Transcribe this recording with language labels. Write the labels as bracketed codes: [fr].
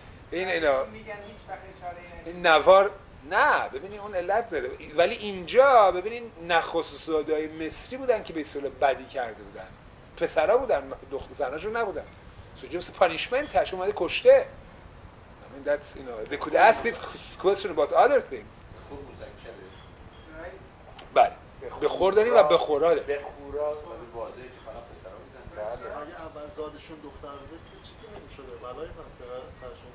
[fa] این اینا میگن هیچ نوار نه، ببینید اون علت داره، ولی اینجا ببینید نخست‌الزاده‌های مصری بودن که به اسرائیل بدی کرده بودن، پسرا بودن، دختر زناشو نبودن، [en] so just punishment [fa] هاش اومده کشته. [en] I mean that's you know they could ask it question about other things. [fa] خور مذکره بله، به خور داریم و به خورا داریم. به خورا ولی واضحه که فقط پسرا بودن. بله، اگه اول زادشون دختر بوده چیزی نمی‌شد، بلای پسرا سرشون